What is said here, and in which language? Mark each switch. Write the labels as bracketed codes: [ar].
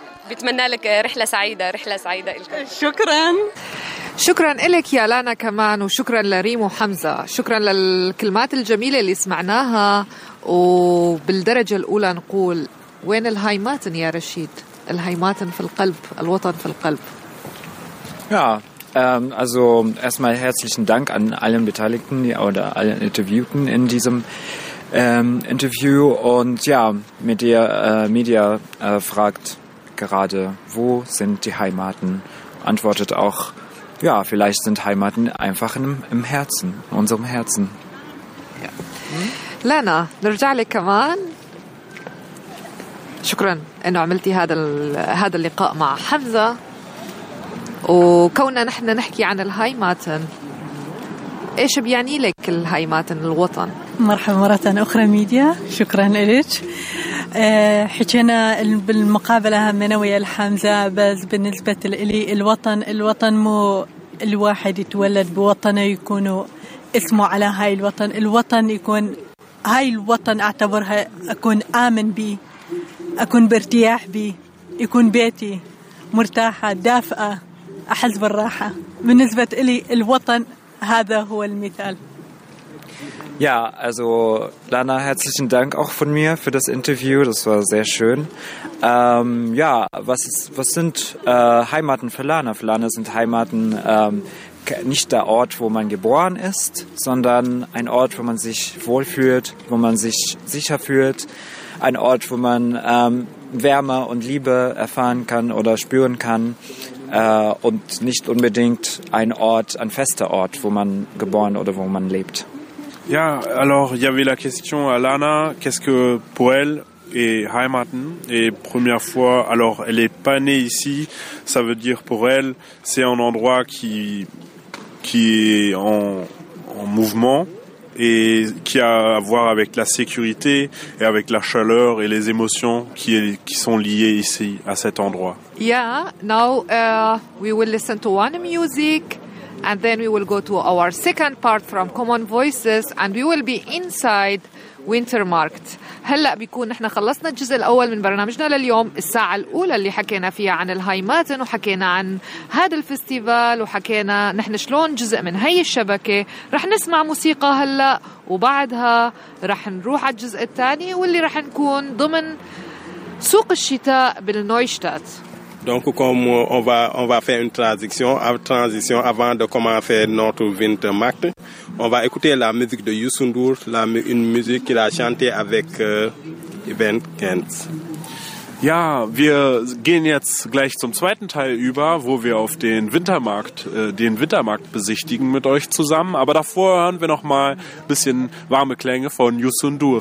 [ar] بتمنى لك رحلة سعيدة، رحلة سعيدة لكم. شكرا. شكرا لك يا لانا كمان وشكرا لريم وحمزة. شكرا للكلمات الجميلة اللي سمعناها وبالدرجة الأولى نقول وين الهايماتن يا رشيد؟ الهايماتن في القلب، الوطن في القلب. [de] يا also erstmal herzlichen Dank an allen Beteiligten oder allen Interviewten in diesem Interview. Und ja, Media fragt gerade, wo sind die Heimaten? Antwortet auch, ja, vielleicht sind Heimaten einfach im Herzen, in unserem Herzen. Ja. [ar] Lana, نرجع لك كمان. شكرا انه عملتي هذا اللقاء مع حمزة. وكوننا نحن نحكي عن الهايماتن، إيش بيعني لك الهايماتن الوطن؟ مرحبا مرة أخرى ميديا، شكرا لك. حكينا بالمقابلة همنا ويا الحمزة، بس بالنسبة لي الوطن مو الواحد يتولد بوطنه يكون اسمه على هاي الوطن، الوطن يكون هاي الوطن أعتبرها أكون آمن بي، أكون بارتياح بي، يكون بيتي مرتاحة دافئة أحس بالراحة. بالنسبة لي الوطن هذا هو المثال. [de] Ja, also Lana, herzlichen Dank auch von mir für das Interview. Das war sehr schön. Was sind Heimaten für Lana? Für Lana sind Heimaten nicht der Ort, wo man geboren ist, sondern ein Ort, wo man sich wohlfühlt, wo man sich sicher fühlt, ein Ort, wo man Wärme und Liebe erfahren kann oder spüren kann, und nicht unbedingt ein Ort, ein fester Ort, wo man geboren oder wo man lebt. [fr] Ja, alors, il y avait la question à Lana, qu'est-ce que pour elle est Heimaten? Et première fois, alors, elle n'est pas née ici, ça veut dire pour elle, c'est un endroit qui est en mouvement et qui a à voir avec la sécurité et avec la chaleur et les émotions qui sont liées ici, à cet endroit. [en] Yeah, now we will listen to one music. And then we will go to our second part from Common Voices, and we will be inside Winter Market. [ar] هلا بيكون نحن خلصنا الجزء الأول من برنامجنا لليوم. الساعة الأولى اللي حكينا فيها عن الهايماتن وحكينا عن هذا الفستيفال وحكينا نحن شلون جزء من هاي الشبكة. رح نسمع موسيقى هلا وبعدها رح نروح على الجزء الثاني واللي رح نكون ضمن سوق الشتاء بالنويشتات. [fr] Donc, comme on va faire une transition avant de commencer notre winter market, on va écouter la musique de Youssoundour, une musique qu'il a chantée avec Ben Kentz. [de] Ja, wir gehen jetzt gleich zum zweiten Teil über, wo wir auf den Wintermarkt besichtigen mit euch zusammen. Aber davor hören wir noch mal ein bisschen warme Klänge von Youssoundour.